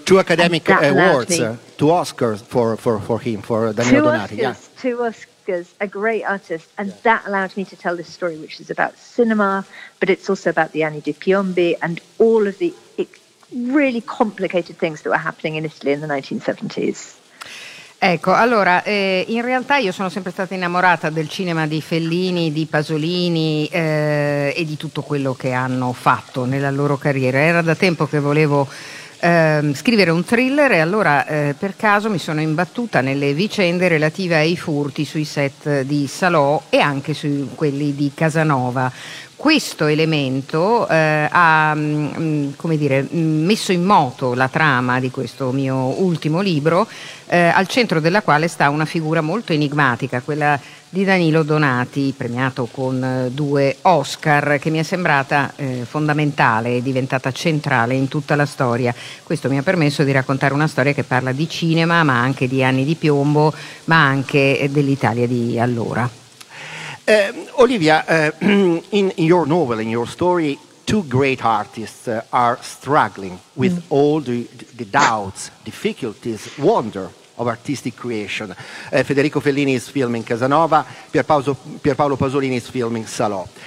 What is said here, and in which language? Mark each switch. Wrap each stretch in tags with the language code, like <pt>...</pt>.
<en>Two Academic Awards, two Oscars for him, for Danilo Donati. Two Oscars, a great artist. And yeah. That allowed me to tell this story, which is about cinema, but it's also about the Anni di Piombi and all of the really complicated things that were happening in Italy in the 1970s.</en> <it>Ecco, allora, in realtà io sono sempre stata innamorata del cinema di Fellini, di Pasolini e di tutto quello che hanno fatto nella loro carriera. Era da tempo che volevo scrivere un thriller e allora per caso mi sono imbattuta nelle vicende relative ai furti sui set di Salò e anche su quelli di Casanova. Questo elemento ha, come dire, messo in moto la trama di questo mio ultimo libro, al centro della quale sta una figura molto enigmatica, quella di Danilo Donati, premiato con due Oscar, che mi è sembrata fondamentale, è diventata centrale in tutta la storia. Questo mi ha permesso di raccontare una storia che parla di cinema, ma anche di Anni di Piombo, ma anche dell'Italia di allora.</it> <en>Olivia, in your novel, in your story, two great artists are struggling with all the doubts, difficulties, wonder of artistic creation. Federico Fellini is filming Casanova, Pierpaolo Pasolini is filming Salò.</en>